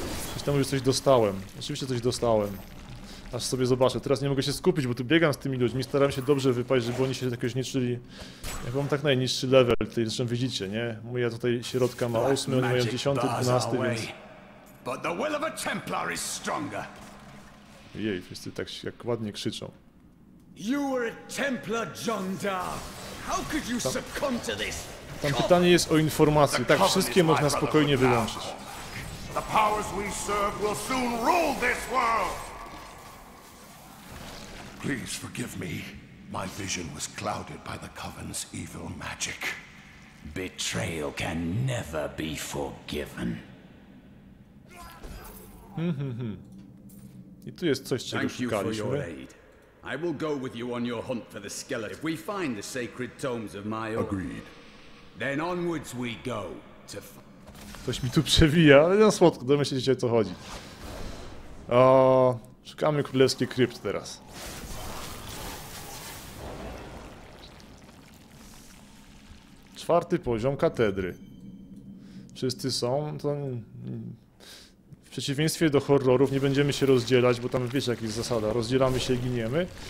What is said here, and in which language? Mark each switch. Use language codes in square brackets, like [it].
[pl] Ktoś tam mówi, że coś dostałem. Oczywiście coś dostałem. Aż sobie zobaczę. Teraz nie mogę się skupić, bo tu biegam z tymi ludźmi. Staram się dobrze wypaść, żeby oni się jakoś nie czuli. Ja mam tak najniższy level, tutaj zresztą widzicie, nie? Moja tutaj środka ma 8, oni mają 10, 12, więc. [en] But the will of a Templar is stronger. [pl] Jej, wszyscy tak jak ładnie krzyczą. [en] You were a Templar, Jondar! How could you succumb to this? [pl] Tam pytanie jest o informacje. Tak, wszystkie można spokojnie wyłączyć. [en] The powers we serve will soon rule this world! Please forgive me. My vision was clouded by the Coven's evil magic. Betrayal can never be forgiven. [pl] I tu jest coś, czego szukaliśmy. [en] Thank you for your aid. I will go with you on your hunt for the skeleton. If we find the sacred tomes of my own. Agreed. Then onwards we go to. [pl] Coś mi tu przewija, ale na słodko, domyślicie o co chodzi. O, szukamy królewski krypt teraz. Czwarty poziom katedry. Wszyscy są, to w przeciwieństwie do horrorów nie będziemy się rozdzielać, bo tam wiecie jaka jest zasada, rozdzielamy się i giniemy.